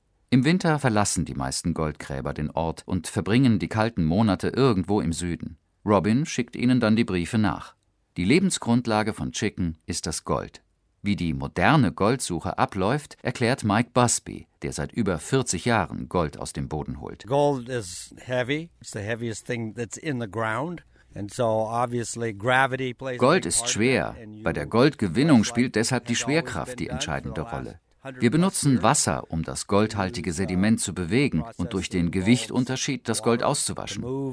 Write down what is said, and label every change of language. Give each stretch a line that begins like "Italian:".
German: Im Winter verlassen die meisten Goldgräber den Ort und verbringen die kalten Monate irgendwo im Süden. Robin schickt ihnen dann die Briefe nach. Die Lebensgrundlage von Chicken ist das Gold. Wie die moderne Goldsuche abläuft, erklärt Mike Busby, der seit über 40 Jahren Gold aus dem Boden holt.
English: Gold is heavy. It's the heaviest thing that's in the ground. And so obviously gravity plays.
German: Gold ist schwer. Bei der Goldgewinnung spielt deshalb die Schwerkraft die entscheidende Rolle. Wir benutzen Wasser, um das goldhaltige Sediment zu bewegen und durch den Gewichtunterschied das Gold auszuwaschen.